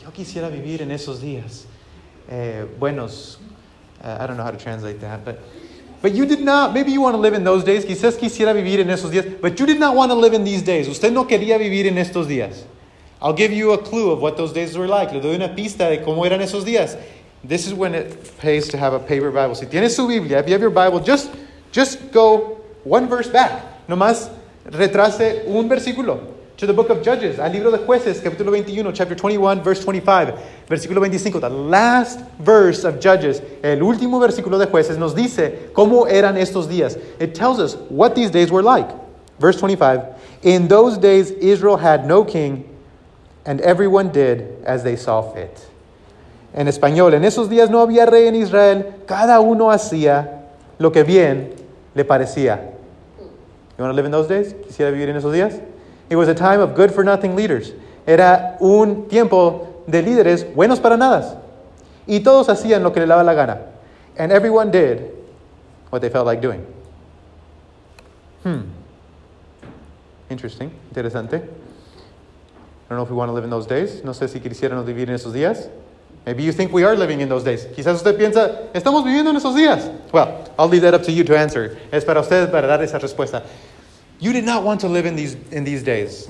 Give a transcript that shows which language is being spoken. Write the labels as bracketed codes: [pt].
[es] Yo quisiera vivir en esos días. Buenos. [en] I don't know how to translate that. But you did not. Maybe you want to live in those days. [es] Quizás quisiera vivir en esos días. [en] But you did not want to live in these days. [es] Usted no quería vivir en estos días. [en] I'll give you a clue of what those days were like. [es] Le doy una pista de cómo eran esos días. [en] This is when it pays to have a paper Bible. [es] Si tienes su Biblia, [en] if you have your Bible, just go one verse back. [es] Nomás retrase un versículo. [en] To the book of Judges, [es] al libro de Jueces, capítulo 21, [en] chapter 21, verse 25, [es] versículo 25. [en] The last verse of Judges, [es] el último versículo de Jueces, nos dice cómo eran estos días. [en] It tells us what these days were like. Verse 25, in those days Israel had no king, and everyone did as they saw fit. [es] En español, en esos días no había rey en Israel, cada uno hacía lo que bien le parecía. [en] You want to live in those days? [es] ¿Quisiera vivir en esos días? [en] It was a time of good-for-nothing leaders. [es] Era un tiempo de líderes buenos para nada. Y todos hacían lo que les daba la gana. [en] And everyone did what they felt like doing. Interesting. Interesante. I don't know if we want to live in those days. [es] No sé si quisieran vivir en esos días. [en] Maybe you think we are living in those days. [es] Quizás usted piensa, estamos viviendo en esos días. [en] Well, I'll leave that up to you to answer. [es] Es para ustedes para dar esa respuesta. [en] You did not want to live in these days.